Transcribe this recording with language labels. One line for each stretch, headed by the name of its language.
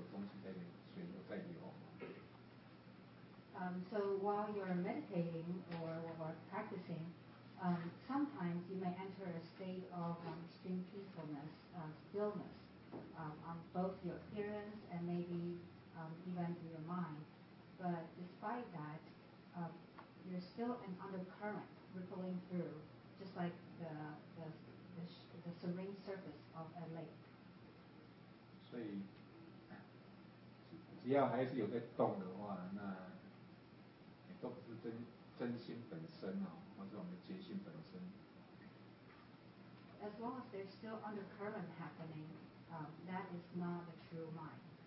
Chinese: 我们在禅修的时候，可能就是你外表或者你内心也相当平静，可是还是会进入一种就是像湖啊，表面上是很平静的，可是下面还是有东西在里，水流在流。
English: So while you're meditating or practicing, sometimes you may enter a state of extreme peacefulness, stillness, on both your appearance and maybe even in your mind. But despite that, you're still an undercurrent rippling through, just like the serene surface of a lake.
Chinese: 所以只要还是有在动的话，那 都不是真心本身哦，或者我们的觉性本身。
English: As long as there's still undercurrent happening, that is not the true mind.